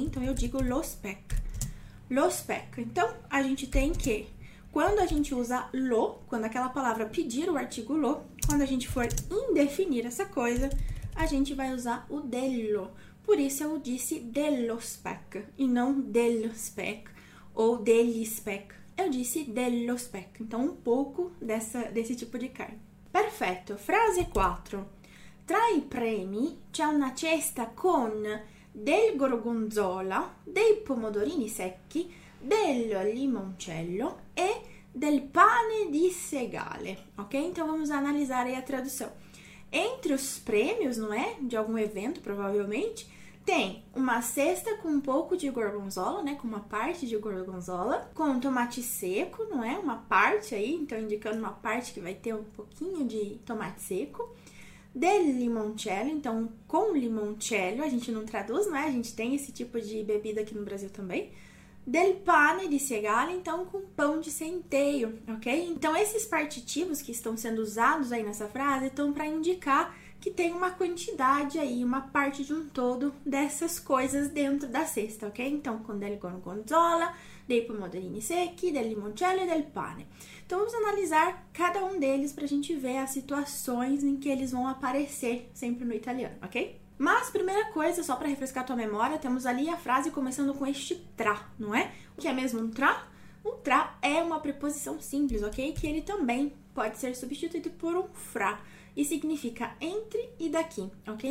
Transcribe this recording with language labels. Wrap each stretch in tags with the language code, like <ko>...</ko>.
<pt>Então, eu digo</pt> <it>lo speck.</it> <pt>Lo speck. Então, a gente tem que, quando a gente usa lo, quando aquela palavra pedir o artigo lo, quando a gente for indefinir essa coisa, a gente vai usar o dello. Por isso eu disse</pt> <it>dello spec</it> <pt>e não dello spec ou</pt> <it>degli spec.</it> <pt>Eu disse</pt> <it>dello spec.</it> <pt>Então, um pouco desse tipo de carne.</pt> <it>Perfetto. Frase 4. Tra i premi c'è una cesta con del gorgonzola, dei pomodorini secchi, del limoncello e del pane di segale. Ok?</it> <pt>Então vamos analisare a tradução. Entre os prêmios, não é? De algum evento, provavelmente, tem uma cesta com um pouco de gorgonzola, né? Com uma parte de gorgonzola, com tomate seco, não é? Uma parte aí, então indicando uma parte que vai ter um pouquinho de tomate seco.</pt> <it>Del limoncello,</it> <pt>então com limoncello, a gente não traduz, né? A gente tem esse tipo de bebida aqui no Brasil também.</pt> <it>Del pane di segale,</it> <pt>então com pão de centeio, ok? Então esses partitivos que estão sendo usados aí nessa frase estão para indicar que tem uma quantidade aí, uma parte de um todo dessas coisas dentro da cesta, ok? Então com</pt> <it>del gorgonzola, dei pomodorini secchi, del limoncello e del pane.</it> <pt>Então vamos analisar cada um deles para a gente ver as situações em que eles vão aparecer sempre no italiano, ok? Mas, primeira coisa, só para refrescar tua memória, temos ali a frase começando com este tra, não é? O que é mesmo um tra? Um tra é uma preposição simples, ok? Que ele também pode ser substituído por um fra e significa entre e daqui, ok?</pt>